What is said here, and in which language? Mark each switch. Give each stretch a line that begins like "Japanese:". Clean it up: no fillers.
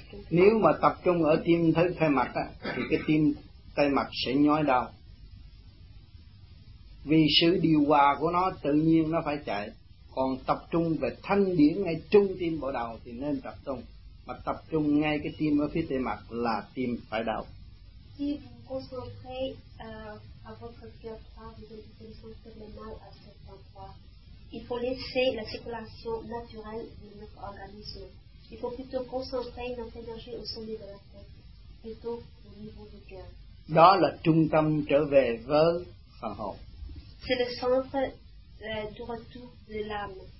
Vietnamese: Nếu mà tập trung ở tim thứ khai mạch á, thì cái tim tay mặt sẽ nhói đau vì sự điều hòa của nó tự nhiên nó phải chạy. Còn tập trung về thanh điển ngay trung tim bộ đầu thì nên tập trung, mà tập trung ngay cái tim ở phía tay mặt là tim phải đau.
French: Si vous concentrez à votre cœur droit, vous allez vous sentir le mal à cet endroit. Il faut laisser la circulation naturelle de notre organisme. Il faut plutôt concentrer notre énergie au sommet de la tête plutôt au niveau du cœur.
Vietnamese: Đó là trung tâm trở về với phần hồn.
French: C'est le centre du retour de l'âme.